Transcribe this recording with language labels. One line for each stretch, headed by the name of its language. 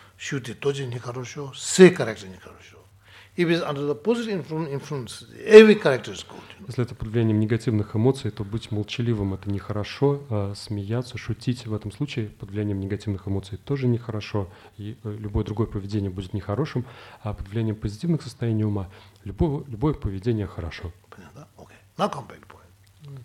Russian: Шути тоже нехорошо, все характеры нехорошо.
English: If it's under the positive influence, every character is good. You know?
Russian: Если это под влиянием негативных эмоций, то быть молчаливым – это нехорошо. Смеяться, шутить в этом случае под влиянием негативных эмоций – тоже нехорошо. И любое другое поведение будет нехорошим. А под влиянием позитивных состояний ума любое поведение хорошо. Понятно?
English: Okay. Now come back point.